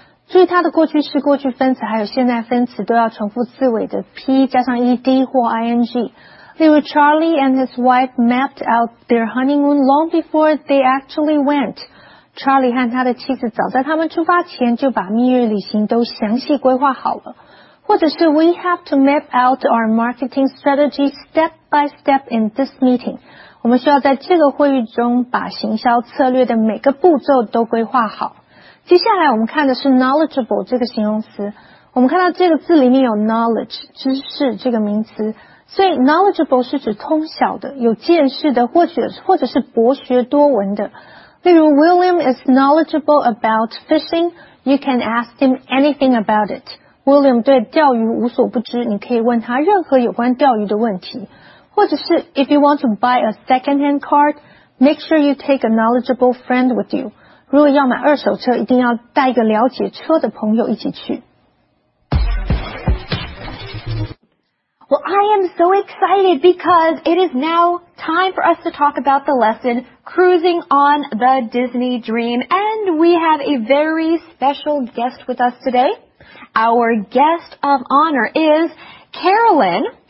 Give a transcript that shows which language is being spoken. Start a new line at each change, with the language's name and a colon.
Chinese: 注意它的过去式、过去分词还有现在分词都要重复字尾的 p 加上 ed 或 ing。例如
English: ，Charlie and his wife mapped out their honeymoon long before they actually went。
Chinese: Charlie 和他的妻子早在他们出发前就把蜜月旅行都详细规划好了。或者是
English: we have to map out our marketing strategy step by step in this meeting.
Chinese: 我们需要在这个会议中把行销策略的每个步骤都规划好。接下来我们看的是 knowledgeable 这个形容词。我们看到这个字里面有 knowledge, 知识这个名词。所以 knowledgeable 是指通晓的、有见识的或者是博学多闻的。例如
English: William is knowledgeable about fishing. You can ask him anything about it.
Chinese: William 对钓鱼无所不知，你可以问他任何有关钓鱼的问题。或者是
English: ,if you want to buy a second-hand car, make sure you take a knowledgeable friend with you.
Chinese: 如果要买二手车，一定要带一个了解车的朋友一起去。
English: Well, I am so excited because it is now time for us to talk about the lesson, Cruising on the Disney Dream, and we have a very special guest with us today. Our guest of honor is Carolyn.